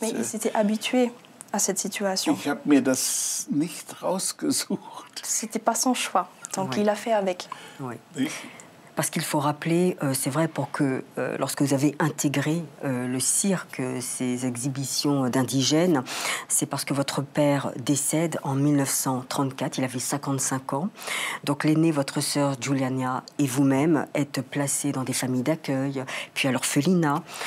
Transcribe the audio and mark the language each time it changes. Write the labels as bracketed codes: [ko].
[fr] Mais ils étaient habitués à cette situation. [de] Ich habe mir das nicht rausgesucht. [fr] C'était pas son choix. Donc oui. Il a fait avec. Oui. Parce qu'il faut rappeler, c'est vrai, pour que lorsque vous avez intégré le cirque, ces exhibitions d'indigènes, c'est parce que votre père décède en 1934. Il avait 55 ans. Donc l'aînée, votre sœur Juliana et vous-même êtes placés dans des familles d'accueil, puis à l'orphelinat.